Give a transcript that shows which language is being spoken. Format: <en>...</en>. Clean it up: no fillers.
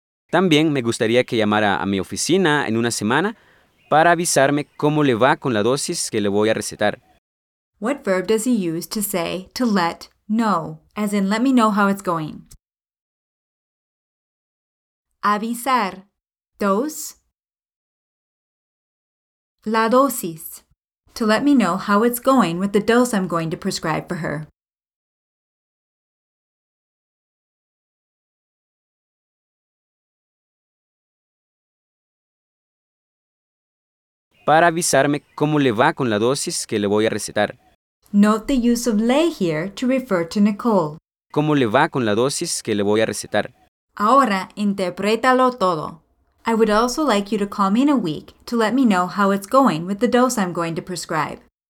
<es>También me gustaría que llamara a mi oficina en una semana para avisarme cómo le va con la dosis que le voy a recetar.</es> <en>What verb does he use to say to let know, as in let me know how it's going?</en> <es>Avisar. Dos. La dosis.</es> <en>To let me know how it's going with the dose I'm going to prescribe for her.</en> <es>Para avisarme cómo le va con la dosis que le voy a recetar.</es> <en>Note the use of le here to refer to Nicole.</en> <es>¿Cómo le va con la dosis que le voy a recetar? Ahora, interprétalo todo.</es> <en>I would also like you to call me in a week to let me know how it's going with the dose I'm going to prescribe.</en>